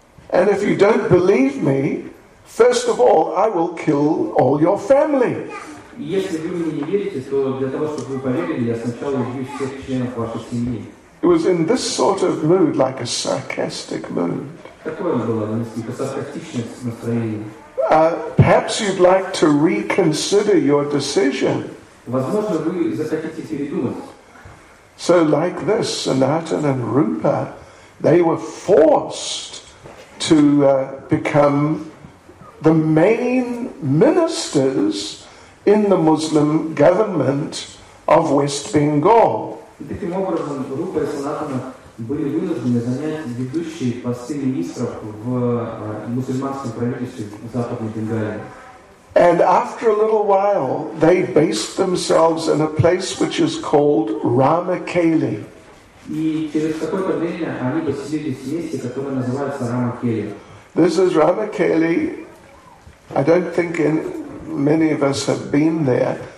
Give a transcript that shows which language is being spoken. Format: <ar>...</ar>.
<en>And if you don't believe me, first of all, I will kill all your family.</en> <ru>Если вы мне не верите, то для того, чтобы вы поверили, я сначала убью всех членов вашей семьи.</ru> <en>It was in this sort of mood, like a sarcastic mood.</en> <ru>Такое было несколько саркастичное настроение.</ru> <en>Perhaps you'd like to reconsider your decision.</en> <ru>Возможно, вы захотите передумать.</ru> <en>So like this, Sanatan and Rupa, they were forced to become the main ministers in the Muslim government of West Bengal.</en> <ru>Таким образом, Рупа и Санатана были вынуждены занять ведущие посты министров в мусульманском правительстве в Западной Бенгалии.</ru> <en>And after a little while, they based themselves in a place which is called Ramakeli. This is Ramakeli. I don't think many of us have been there.</en>